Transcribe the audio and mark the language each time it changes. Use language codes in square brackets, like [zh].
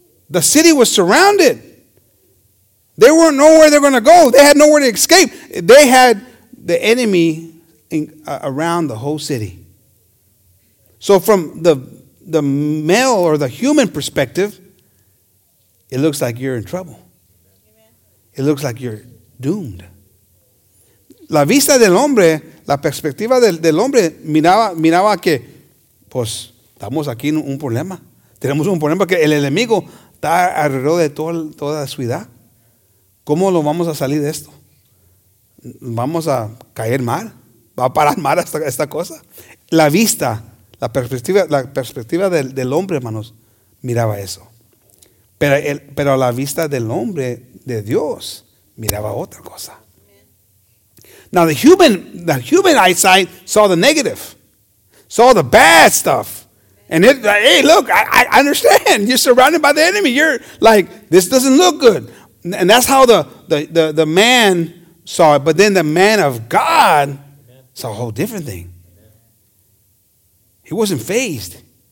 [en] The city was surrounded. They weren't nowhere they were going to go. They had nowhere to escape. They had the enemy around the whole city. So from the male or the human perspective, it looks like you're in trouble. It looks like you're doomed. [es] La vista del hombre, la perspectiva del hombre, miraba que, pues, estamos aquí en un problema. Tenemos un problema que el enemigo está alrededor de toda la ciudad. ¿Cómo lo vamos a salir de esto? ¿Vamos a caer mal? ¿Va a parar mal esta cosa? La vista, la perspectiva del hombre, hermanos, miraba eso. Pero la vista del hombre, de Dios, miraba otra cosa. [en] Now the human eyesight saw the negative, saw the bad stuff. And it, hey, look, I understand. You're surrounded by the enemy. You're like, this doesn't look good. And that's how the man saw it. But then the man of God saw a whole different thing. He wasn't fazed.